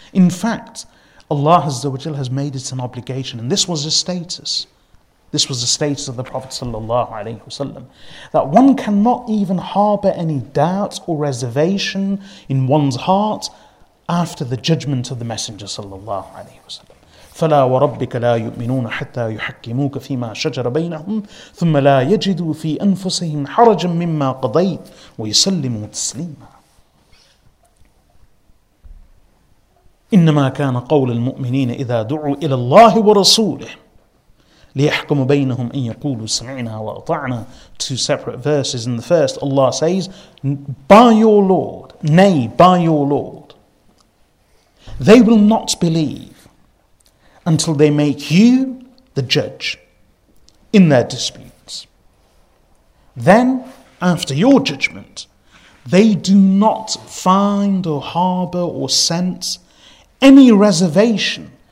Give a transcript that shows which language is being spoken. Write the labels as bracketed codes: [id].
[en] In fact, Allah Azza wa Jal has made it an obligation, and this was his status. This was the status of the Prophet sallallahu alayhi wasallam, that one cannot even harbour any doubt or reservation in one's heart after the judgment of the Messenger sallallahu alayhi wasallam. [ar] فلا وربك لا يؤمنون حتى يحكموك فيما شجر بينهم ثم لا يجدوا في أنفسهم حرجا مما قضيت ويسلموا تسليما. إنما كان قول المؤمنين إذا دعوا إلى الله ورسوله ليحكم بينهم أن يقولوا سمعنا وأطعنا. [en] Two separate verses. In the first, Allah says, by your Lord, they will not believe until they make you the judge in their disputes. Then, after your judgment, they do not find or harbour or sense any reservation